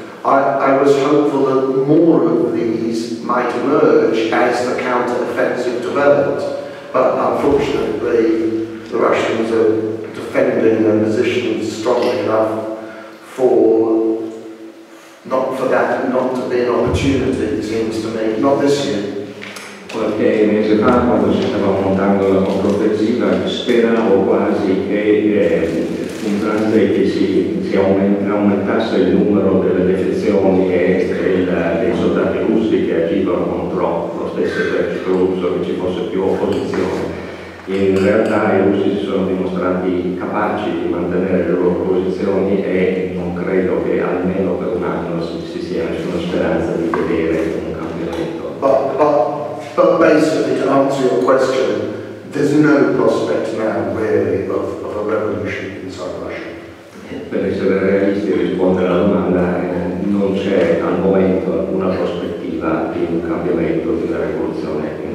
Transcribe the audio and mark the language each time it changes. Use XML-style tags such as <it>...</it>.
<en>I was hopeful that more of these might emerge as the counter-offensive developed, but unfortunately the Russians are defending their positions strongly enough for that not to be an opportunity, it seems to me, not this year.</en> <it>Qualche mese fa, quando si stava montando la controffensiva, speravo quasi che si aumentasse il numero delle defezioni e dei soldati russi che agivano contro lo stesso esercito russo, che ci fosse più opposizione. In realtà i russi si sono dimostrati capaci di mantenere le loro posizioni e non credo che almeno per un anno si sia nessuna speranza di vedere un cambiamento.</it> <en>But basically, to answer your question, there's no prospect now really of a revolution inside Russia.</en> <it>Per essere realisti e rispondere alla domanda, non c'è al momento alcuna prospettiva di un cambiamento di una rivoluzione.</it>